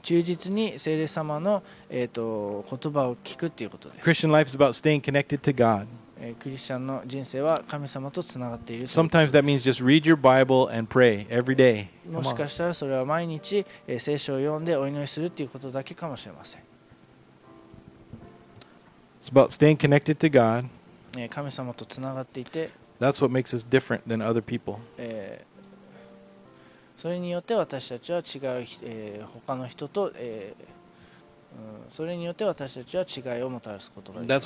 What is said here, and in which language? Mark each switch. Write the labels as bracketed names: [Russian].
[Japanese] 忠実に聖霊様の言葉を聞くっていうことです。 [English] Christian life is about staying connected to God. [Japanese] クリスチャンの人生は神様とつながっている。 [English] Sometimes that means just read your Bible and pray every day. [Japanese] もしかしたらそれは毎日聖書を読んでお祈りするっていうことだけかもしれません。 [English] It's about staying connected to God. [Japanese] 神様とつながっていて [English] That's what makes us different than other people. [Japanese] それによって私たちは違う、他の人と、それによって私たちは違いをもたらすことができます。